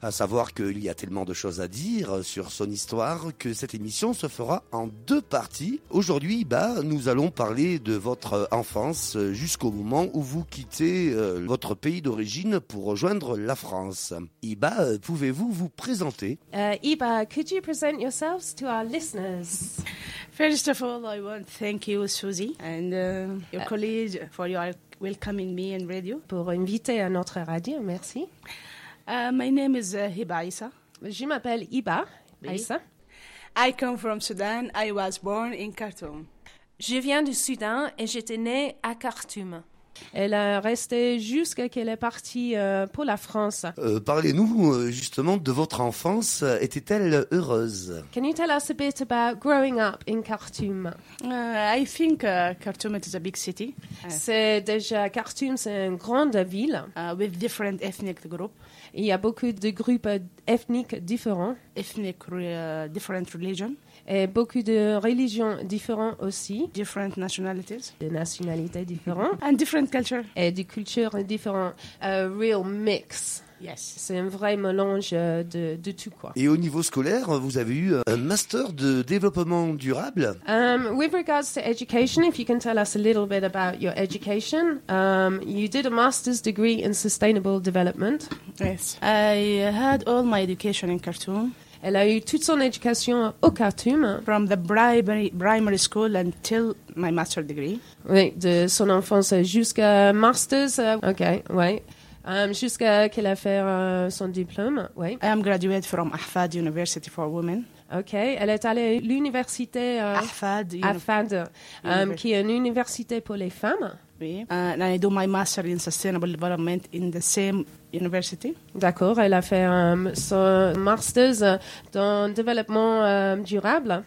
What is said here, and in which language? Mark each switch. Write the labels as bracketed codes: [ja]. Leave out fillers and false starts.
[fr] Savoir qu'il y a tellement de choses à dire sur son histoire que cette émission se fera en 2 parties. Aujourd'hui, nous allons parler de votre enfance jusqu'au moment où vous quittez votre pays d'origine pour rejoindre la France. Iba, pouvez-vous vous présenter? [en] Iba, could you present yourselves to our listeners? First of all, I want to thank you, Susie, and your colleague for your welcoming me in radio. Pour inviter à notre radio, merci. My name is Iba Eissa. Je m'appelle Iba Eissa. I come from Sudan. I was born in Khartoum. [fr] Je viens du Soudan et j'étais née à Khartoum. Elle a resté jusqu'à qu'elle est partie pour la France. Parlez-nous justement de votre enfance. Était-elle heureuse? [en] Can you tell us a bit about growing up in Khartoum? I think Khartoum is a big city. [fr] Khartoum, c'est une grande ville. [en] With different ethnic groups. [fr] Il y a beaucoup de groupes ethniques différents. [en] Ethnic, different religions. [fr] Et beaucoup de religions différentes aussi. [en] Different nationalities. [fr] De nationalités différentes. [en] And different cultures. [fr] Et des cultures différentes. A real mix. [en] Yes. [fr] C'est un vrai mélange de tout quoi. Et au niveau scolaire, vous avez eu un master de développement durable? [en] With regards to education, if you can tell us a little bit about your education, you did a master's degree in sustainable development. Yes. I had all my education in Khartoum. [fr] Elle a eu toute son éducation au Khartoum. [en] From the primary school until my master's degree. [fr] Oui, de son enfance jusqu'à master's. Ok, oui. Jusqu'à qu'elle a fait son diplôme, oui. [en] I am graduated from Ahfad University for Women. [fr] Ok, elle est allée à l'université Ahfad, qui est une université pour les femmes. [en] Oui, and I do my master in sustainable development in the same university. [fr] D'accord, elle a fait son master's dans le développement durable.